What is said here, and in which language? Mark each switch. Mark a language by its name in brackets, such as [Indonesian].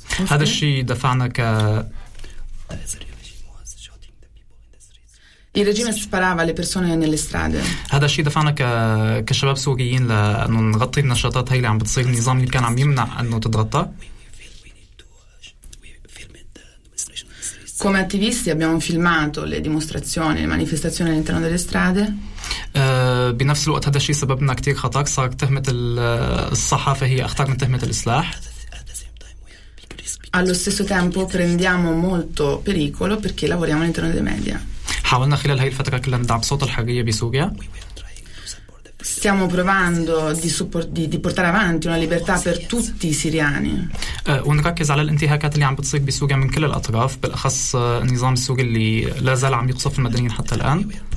[Arabic] هذا الشيء دفعنا ك [Italian] Il regime sparava alle persone nelle strade. [Arabic] هذا الشيء دفعنا كشباب سوريين لأنه نغطي النشاطات هاي اللي عم بتصير. النظام اللي كان عم يمنع أنه تتغطى. [Italian] Come attivisti abbiamo filmato le dimostrazioni, le manifestazioni all'interno delle strade. [Arabic] بنفس الوقت هذا الشيء سببنا كتير خطأ. صار تهمة الصحافة هي أخطر من تهمة الإصلاح. [Italian] Allo stesso tempo prendiamo molto pericolo perché lavoriamo all'interno dei media. [Arabic] حاولنا خلال هاي الفترة كلها ندعم صوت الحرية بسوريا. [Italian] Stiamo provando di portare avanti una libertà per tutti i siriani. [Arabic] ونركز على الانتهاكات اللي عم بتصير بسوريا من كل الأطراف، بالأخص النظام السوري اللي لا زال عم يقصف المدنيين حتى الآن.